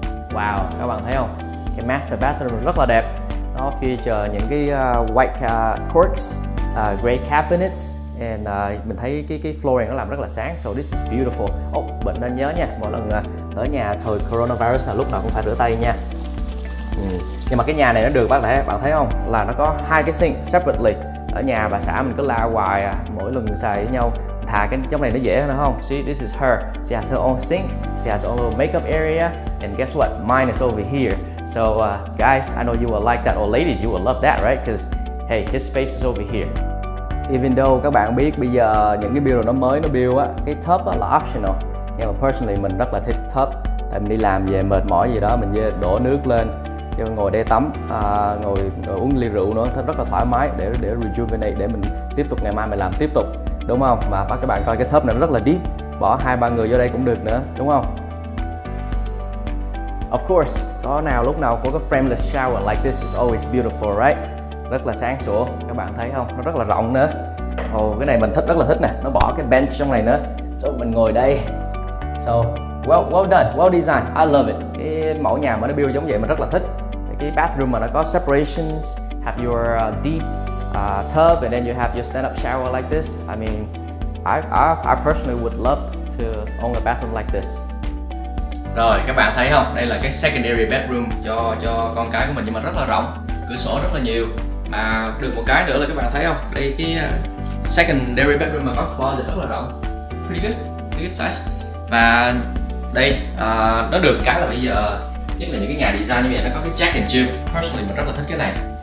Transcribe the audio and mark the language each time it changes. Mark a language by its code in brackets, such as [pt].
[vi] Wow, các bạn thấy không? Cái master bathroom rất là đẹp. Nó feature những cái white corks, gray cabinets, and mình thấy cái flooring nó làm rất là sáng. [en] So this is beautiful. [vi] Oh, bạn nên nhớ nha, mỗi lần tới nhà thời coronavirus là lúc nào cũng phải rửa tay nha. Nhưng mà cái nhà này nó được, bạn thấy không, là nó có hai cái sink separately. Ở nhà bà xã mình cứ la hoài, mỗi lần xài với nhau thà cái trong này nó dễ hơn không. [en] See, this is her, she has her own sink, she has her own little makeup area, and guess what, mine is over here. So guys, I know you will like that, or ladies, you will love that, right? Because hey, his space is over here. Even though [vi] các bạn biết bây giờ những cái build nó mới, nó build á, cái tub á là optional, nhưng mà personally mình rất là thích tub. Tại mình đi làm về mệt mỏi gì đó, mình đổ nước lên cho ngồi đây tắm, ngồi uống ly rượu nữa, thật rất là thoải mái để rejuvenate, để mình tiếp tục ngày mai mình làm tiếp tục, đúng không? Mà các bạn coi cái tub này nó rất là deep, bỏ 2-3 người vô đây cũng được nữa, đúng không? [en] Of course, [vi] có nào lúc nào có cái [en] frameless shower like this is always beautiful, right? [vi] Rất là sáng sủa, các bạn thấy không? Nó rất là rộng nữa. Cái này mình thích, rất là thích nè. Nó bỏ cái bench trong này nữa. So, mình ngồi đây. [en] So, well done, well designed, I love it. [vi] Cái mẫu nhà mà nó build giống vậy mình rất là thích. Cái bathroom mà nó có [en] separations, have your deep tub, and then you have your stand-up shower like this. I mean, I personally would love to own a bathroom like this. [vi] Rồi, các bạn thấy không? Đây là cái secondary bedroom cho con cái của mình, nhưng mà rất là rộng, cửa sổ rất là nhiều. Mà được một cái nữa là các bạn thấy không? Đây cái secondary bedroom mà có closet rất là rộng. [en] Pretty good size. [vi] Và đây, nó được cái là bây giờ, nhất là những cái nhà design như vậy, nó có cái jack and jill. Personally mình rất là thích cái này.